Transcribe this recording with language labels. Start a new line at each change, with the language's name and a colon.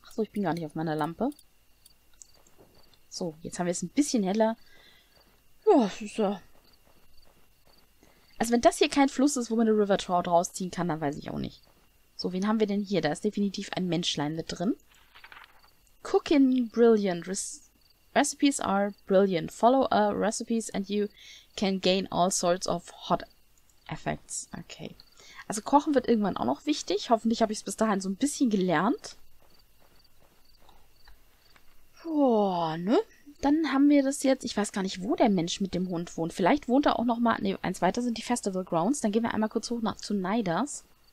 German: Achso, ich bin gar nicht auf meiner Lampe. So, jetzt haben wir es ein bisschen heller. Ja, das ist ja... Also wenn das hier kein Fluss ist, wo man eine River Trout rausziehen kann, dann weiß ich auch nicht. So, wen haben wir denn hier? Da ist definitiv ein Menschlein mit drin.
English: Cooking brilliant. Recipes are brilliant. Follow a recipes and you can gain all sorts of hot effects.
German: Okay. Also kochen wird irgendwann auch noch wichtig. Hoffentlich habe ich es bis dahin so ein bisschen gelernt. Boah, ne? Dann haben wir das jetzt. Ich weiß gar nicht, wo der Mensch mit dem Hund wohnt. Vielleicht wohnt er auch noch mal... Ne, eins weiter sind die Festival Grounds. Dann gehen wir einmal kurz hoch nach zu Nidas.